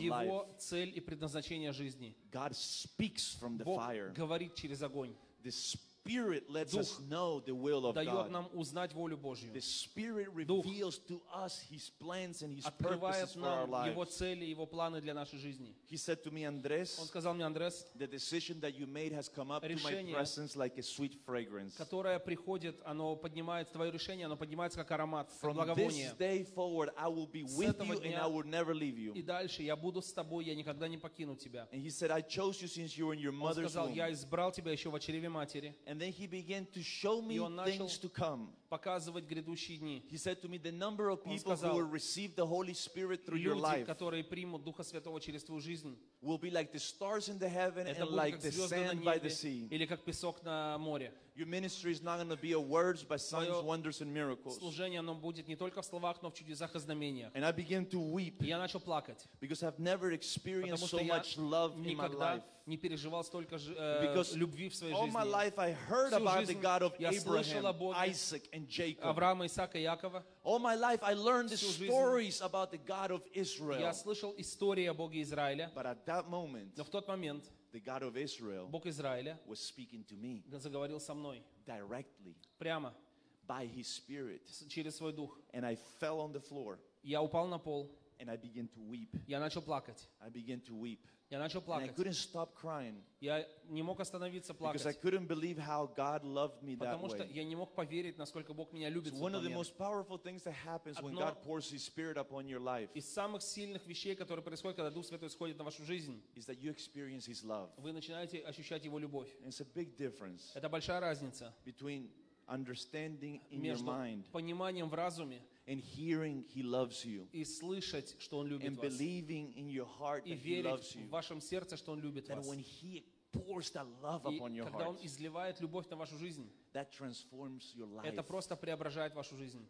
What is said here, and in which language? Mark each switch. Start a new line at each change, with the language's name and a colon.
Russian: его
English: life.
Russian: Цель и предназначение жизни.
English: God speaks from the
Russian: Бог
English: fire.
Russian: Говорит через огонь.
English: The Spirit lets us know the will of God.
Russian: Дает нам узнать волю Божью.
English: The Spirit reveals to us His plans and His purposes for our lives.
Russian: Его цели, его планы для нашей жизни.
English: He said to me, Andres.
Russian: Он сказал мне, Андрес.
English: The decision that you made has come up to my presence like a sweet fragrance.
Russian: Которое приходит, оно поднимает твое решение, оно поднимается как аромат, как благовоние.
English: From this day forward, I will be with you and I will never leave you.
Russian: И дальше я буду с тобой, я никогда не покину тебя.
English: And He said, I chose you since you were in your mother's womb.
Russian: Он сказал, я избрал тебя еще в чреве матери.
English: And then he began to show me things to come.
Russian: Показывать грядущие дни.
English: He said to me the number of people who will receive the Holy Spirit through your life.
Russian: Которые примут Духа Святого через твою жизнь.
English: Will be like the stars in the heaven and like the sand by the sea.
Russian: Или как песок на море.
English: Your ministry is not going to be of words but signs, wonders and miracles.
Russian: Служение оно будет не только в словах, но в чудесах и знамениях.
English: And I began to weep.
Russian: Я начал плакать.
English: Because I've never experienced so much love in my life.
Russian: Не переживал столько любви в своей жизни.
English: all my life I heard about the God of Abraham, Isaac, and Jacob.
Russian: Авраама, Исаака, Якова.
English: All my life I learned the stories about the God of Israel.
Russian: Я слышал истории о Боге Израиля.
English: But at that moment,
Russian: но в тот момент,
English: the God of Israel,
Russian: Бог Израиля,
English: was speaking to me.
Russian: Заговорил со мной.
English: Directly.
Russian: Прямо.
English: By His Spirit.
Russian: Через свой дух.
English: And I fell on the floor.
Russian: Я упал на пол.
English: And I began to weep.
Russian: Я начал плакать.
English: I began to weep.
Russian: Я начал плакать.
English: And I couldn't stop crying.
Russian: Я не мог остановиться плакать.
English: Because I couldn't believe how God loved me that way.
Russian: Потому что я не мог поверить, насколько Бог меня любит.
English: It's one of the most powerful things that happens when God pours His Spirit upon your life.
Russian: Из самых сильных вещей, которые происходят, когда Дух Святой сходит на вашу жизнь,
English: is that you experience His love.
Russian: Вы начинаете ощущать Его любовь.
English: It's a big difference.
Russian: Это большая разница.
English: Between understanding in your mind.
Russian: Между пониманием в разуме.
English: And hearing He loves you.
Russian: И слышать, что Он любит вас.
English: And believing in your heart that He loves you.
Russian: И верить в вашем сердце, что Он любит вас.
English: That when He pours that love upon your heart.
Russian: И когда Он изливает любовь на вашу жизнь.
English: That transforms your life.
Russian: Это просто преображает вашу жизнь.